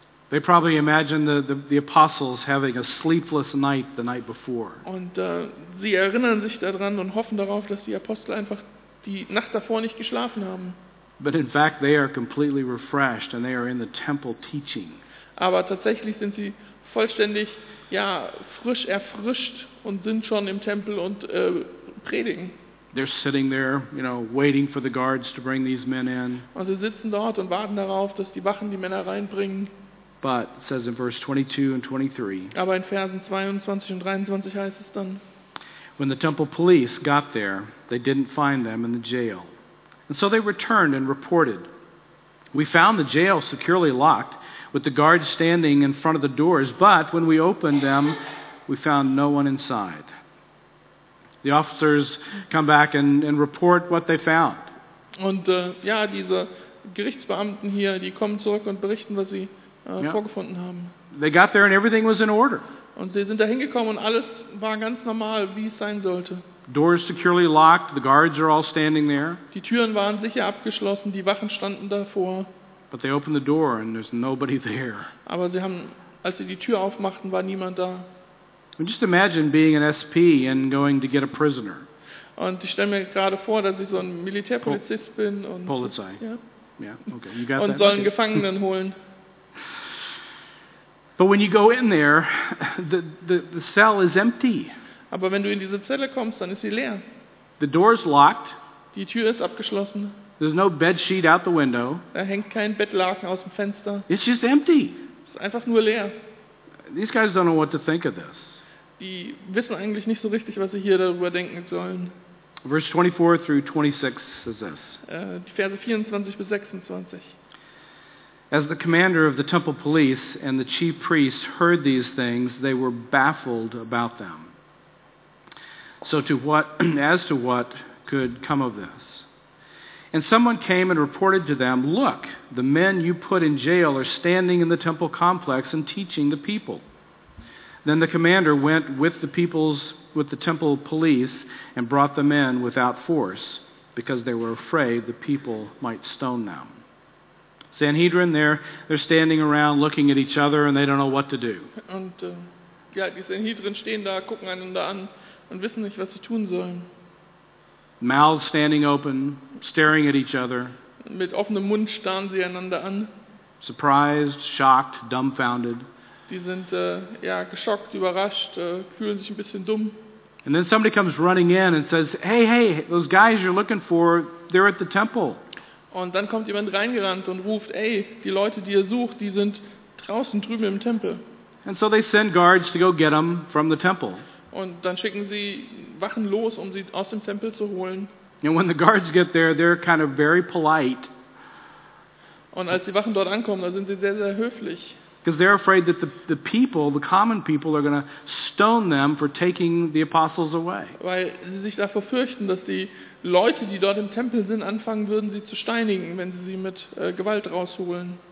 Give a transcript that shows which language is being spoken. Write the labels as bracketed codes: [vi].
[en] They probably imagine the apostles having a sleepless night the night before. [de] Und sie erinnern sich daran und hoffen darauf, dass die Apostel einfach die Nacht davor nicht geschlafen haben. [en] But in fact they are completely refreshed and they are in the temple teaching. [de] Aber tatsächlich sind sie vollständig frisch erfrischt und sind schon im Tempel und predigen. [en] They're sitting there, you know, waiting for the guards to bring these men in. [de] Und sie sitzen dort und warten darauf, dass die Wachen die Männer reinbringen. [en] But it says in verse 22 and 23. [de] Aber in Versen 22 und 23 heißt es dann. [en] When the temple police got there, they didn't find them in the jail. And so they returned and reported. We found the jail securely locked, with the guards standing in front of the doors, but when we opened them, we found no one inside. The officers come back and report what they found. [de] Und ja, diese Gerichtsbeamten hier, die kommen zurück und berichten, was sie vorgefunden haben. [en] They got there and everything was in order. [de] Und sie sind da hingekommen und alles war ganz normal, wie es sein sollte. [en] Doors securely locked, the guards are all standing there. [de] Die Türen waren sicher abgeschlossen, die Wachen standen davor. [en] But they opened the door and there's nobody there. [de] Aber sie haben, als sie die Tür aufmachten, war niemand da. [en] And just imagine being an SP and going to get a prisoner. [de] Und ich stelle mir gerade vor, dass ich so ein Militärpolizist bin und Polizei. [en] Yeah, okay, you got [de] und [en] that. [de] Sollen okay. Gefangenen holen. [en] But when you go in there, the cell is empty. [de] Aber wenn du in diese Zelle kommst, dann ist sie leer. [en] The door is locked. [de] Die Tür ist abgeschlossen. [en] There's no bedsheet out the window. [de] Da hängt kein Bettlaken aus dem Fenster. [en] It's just empty. [de] Es ist einfach nur leer. [en] These guys don't know what to think of this. [de] Die wissen eigentlich nicht so richtig, was sie hier darüber denken sollen. [en] Verse 24 through 26 says this. [de] Die Verse 24 bis 26. [en] As the commander of the temple police and the chief priests heard these things, they were baffled about them. As to what could come of this. And someone came and reported to them, "Look, the men you put in jail are standing in the temple complex and teaching the people." Then the commander went with the temple police and brought them in without force, because they were afraid the people might stone them. Sanhedrin, they're standing around looking at each other and they don't know what to do. [de] Und ja, die Sanhedrin stehen da, gucken einander an und wissen nicht, was sie tun sollen. [en] Mouths standing open, staring at each other. [de] Mit offenem Mund starren sie einander an. [en] Surprised, shocked, dumbfounded. [de] Die sind geschockt, überrascht, fühlen sich ein bisschen dumm. [en] And then somebody comes running in and says, hey, those guys you're looking for, they're at the temple. [de] Und dann kommt jemand reingerannt und ruft, ey, die Leute, die ihr sucht, die sind draußen drüben im Tempel. [en] And so they send guards to go get them from the temple. [de] Und dann schicken sie Wachen los, um sie aus dem Tempel zu holen. [en] And when the guards get there, they're kind of very polite. [de] Und als die Wachen dort ankommen, dann sind sie sehr, sehr höflich. [en] Because they're afraid that the people, the common people, are going to stone them for taking the apostles away. [de] Weil sie sich davor fürchten, dass die Leute, die dort im Tempel sind, anfangen würden, sie zu steinigen, wenn sie sie mit Gewalt rausholen.